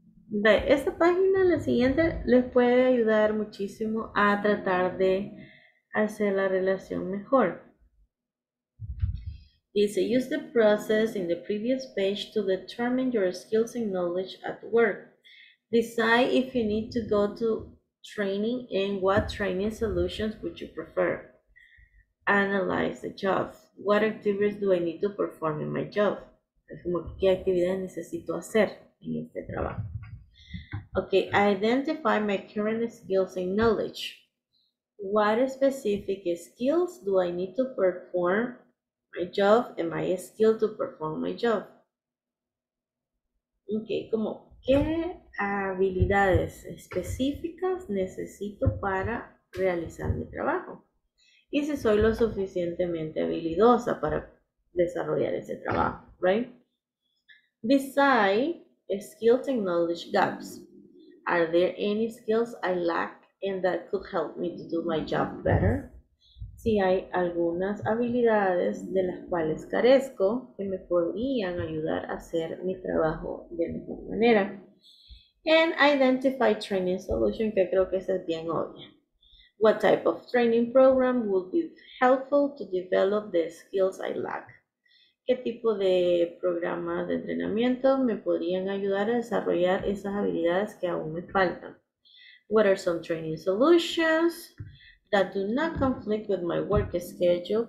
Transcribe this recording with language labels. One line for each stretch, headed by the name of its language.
Spanish: Ve, esta página, la siguiente, les puede ayudar muchísimo a tratar de hacer la relación mejor. Dice,
English: use the process in the previous page to determine your skills and knowledge at work. Decide if you need to go to training and what training solutions would you prefer. Analyze the job. What activities do I need to perform in my job?
Spanish: Es como, ¿qué actividades necesito hacer en este trabajo?
English: Okay, identify my current skills and knowledge. What specific skills do I need to perform my job, am I skilled to perform my job?
Spanish: Okay, como, ¿qué habilidades específicas necesito para realizar mi trabajo? Y si soy lo suficientemente habilidosa para desarrollar ese trabajo, right?
English: Decide skills and knowledge gaps. Are there any skills I lack and that could help me to do my job better?
Spanish: Si hay algunas habilidades de las cuales carezco que me podrían ayudar a hacer mi trabajo de mejor manera.
English: And identify training solution,
Spanish: que creo que esa es bien obvia.
English: What type of training program would be helpful to develop the skills I lack?
Spanish: ¿Qué tipo de programa de entrenamiento me podrían ayudar a desarrollar esas habilidades que aún me faltan?
English: What are some training solutions that do not conflict with my work schedule?